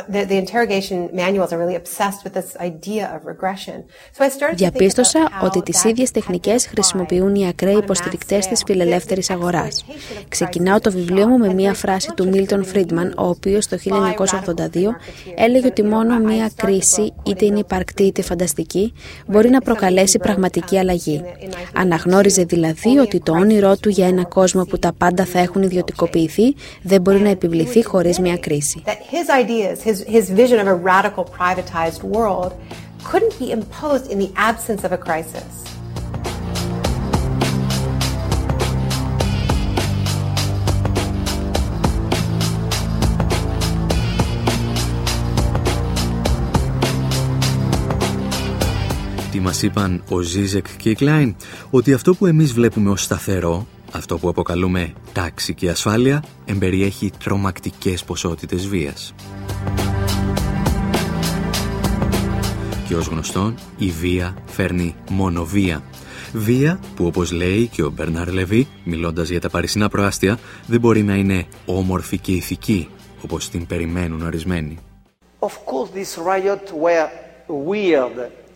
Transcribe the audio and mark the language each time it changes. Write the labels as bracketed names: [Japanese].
[English] The interrogation manuals are really obsessed with this idea of regression. So I started [Greek] Διαπίστωσα ότι τις ίδιες τεχνικές χρησιμοποιούν οι ακραίοι υποστηρικτές της φιλελεύθερης αγοράς. Ξεκινάω το βιβλίο μου με μία φράση του Μίλτον Φρίντμαν, ο οποίος το 1982 έλεγε ότι μόνο μία κρίση, είτε είναι υπαρκτή είτε φανταστική, μπορεί να προκαλέσει πραγματική αλλαγή. Αναγνώριζε δηλαδή ότι το όνειρό του για ένα κόσμο που τα πάντα θα έχουν ιδιωτικοποιηθεί δεν μπορεί να επιβληθεί χωρίς μία κρίση. [English] His vision of a radical privatized world couldn't be imposed in the absence of a crisis. [Greek] Τι μας είπαν ο Ζίζεκ και η Κλάιν, ότι αυτό που εμείς βλέπουμε ως σταθερό, αυτό που αποκαλούμε τάξη και ασφάλεια, εμπεριέχει τρομακτικές ποσότητες βίας. Και ως γνωστόν, η βία φέρνει μόνο βία. Βία που, όπως λέει και ο Μπέρναρ Λεβί, μιλώντας για τα παρισινά προάστια, δεν μπορεί να είναι όμορφη και ηθική, όπως την περιμένουν ορισμένοι. [English] Of course this riot were weird.